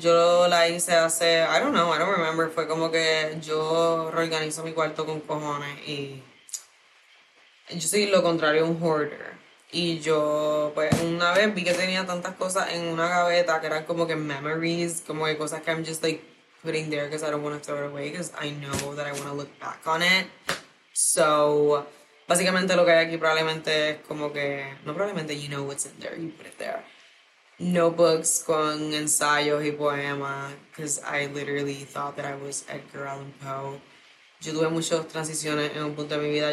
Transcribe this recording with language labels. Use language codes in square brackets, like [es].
[es] Yo la hice hace, [en] I don't know, I don't remember. [es] Fue como que yo reorganizo mi cuarto con cojones y... Yo soy lo contrario, un hoarder. Y yo, pues, una vez vi que tenía tantas cosas en una gaveta que eran como que memories, como que cosas que [en] I'm just, like, putting there because I don't want to throw it away because I know that I want to look back on it. So, [es] básicamente lo que hay aquí probablemente es como que... No probablemente, [en] you know what's in there, you put it there. Notebooks [es] con ensayos y poemas [en] because I literally thought that I was Edgar Allan Poe. [es] Yo tuve muchas transiciones en un punto de mi vida.